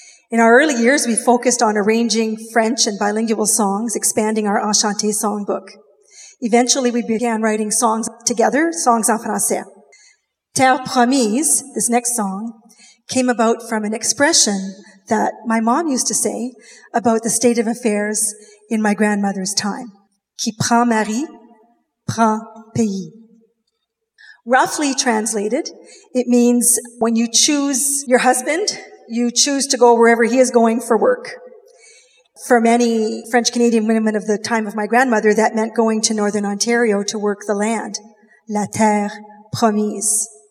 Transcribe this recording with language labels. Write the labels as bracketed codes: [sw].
[en] In our early years, we focused on arranging French and bilingual songs, expanding our Enchanté songbook. Eventually, we began writing songs together, songs [fr] en français. [en] Terre Promise, this next song, came about from an expression that my mom used to say about the state of affairs in my grandmother's time. [fr] Qui prend Marie, prend pays. [en] Roughly translated, it means when you choose your husband, you choose to go wherever he is going for work. For many French-Canadian women of the time of my grandmother, that meant going to Northern Ontario to work the land, la terre promise.